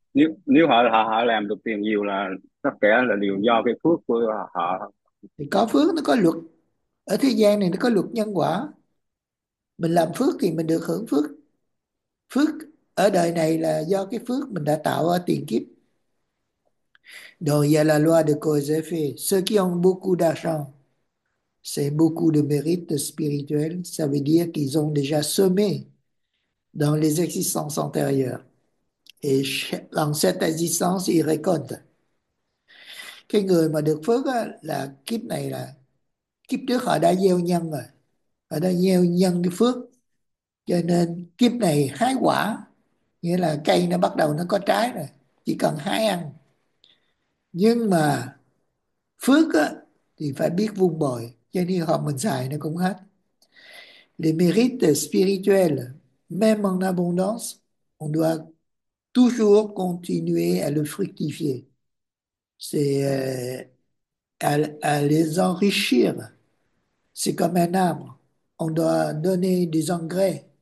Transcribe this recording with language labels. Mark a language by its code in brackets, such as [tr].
[vi] Nếu nếu họ họ họ làm được tiền nhiều là tất cả là đều do cái phước của họ. Thì có phước, nó có luật ở thế gian này, nó có luật nhân quả. Mình làm phước thì mình được hưởng phước. Phước ở đời này là do cái phước mình đã tạo ở tiền kiếp. [fr] Donc, il y a la loi de cause et effet. Ceux qui ont beaucoup d'argent, c'est beaucoup de mérite spirituel. Ça veut dire qu'ils ont déjà semé dans les existences antérieures. Et dans cette existence, ils récoltent. [vi] Cái người mà được phước á, là kiếp này là kiếp trước họ đã gieo nhân rồi. Họ đã gieo nhân cái phước. Cho nên kiếp này hái quả, nghĩa là cây nó bắt đầu nó có trái rồi, chỉ cần hái ăn. Nhưng mà phước á, thì phải biết vun bồi, cho nên họ mình xài nó cũng hết. [fr] Les mérites spirituels, même en abondance, on doit toujours continuer à le fructifier. C'est à les enrichir. C'est comme un arbre. On doit donner des engrais.